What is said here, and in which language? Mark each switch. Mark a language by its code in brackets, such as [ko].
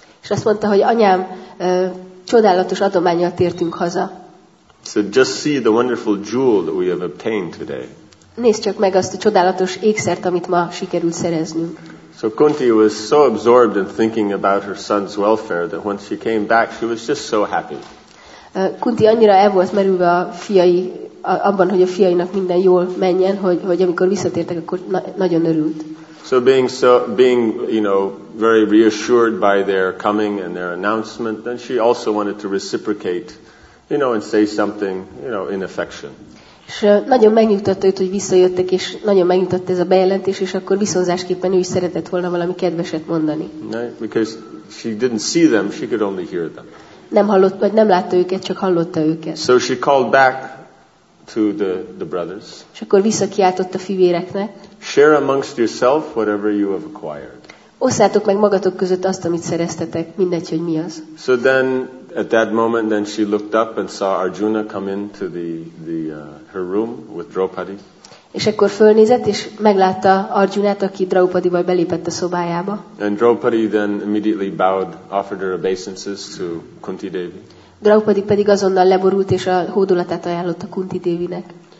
[hu] És azt mondta, hogy anyám, csodálatos adománnyal tértünk haza. [en] So just see the wonderful jewel that we have obtained today. [hu] Nézd csak meg azt a csodálatos ékszert, amit ma sikerült szereznünk. [en] So Kunti was so absorbed in thinking about her son's welfare that when she came back, she was just so happy. [hu] Kunti annyira el volt merülve a fiai, abban, hogy a fiainak minden jól menjen, hogy amikor visszatértek, akkor nagyon örült. [en] So being, you know, very reassured by their coming and their announcement, then she also wanted to reciprocate, you know, and say something, you know, in affection. [hu] És nagyon megnyugtatta őt, hogy visszajöttek, és nagyon megnyugtatta ez a bejelentés, és akkor viszonzásképpen ő is szeretett volna valami kedveset mondani. [en] Because she didn't see them, she could only hear them. [hu] Nem hallott, vagy nem látta őket, csak hallotta őket. [en] So she called back to the brothers. [hu] És akkor visszakiáltott a fivéreknek. [en] Share amongst yourself whatever you have acquired. [hu] Osszátok meg magatok között azt, amit szereztetek, mindegy, hogy mi az. [en] So then, at that moment, then she looked up and saw Arjuna come into her room with Draupadi. [hu] És akkor fölnézett, és meglátta Arjunát, aki Draupadival belépett a szobájába. [en] And Draupadi then immediately bowed, offered her obeisances to Kunti Devi. [hu] Draupadi pedig azonnal leborult, és a hódolatát ajánlotta Kunti Devinek.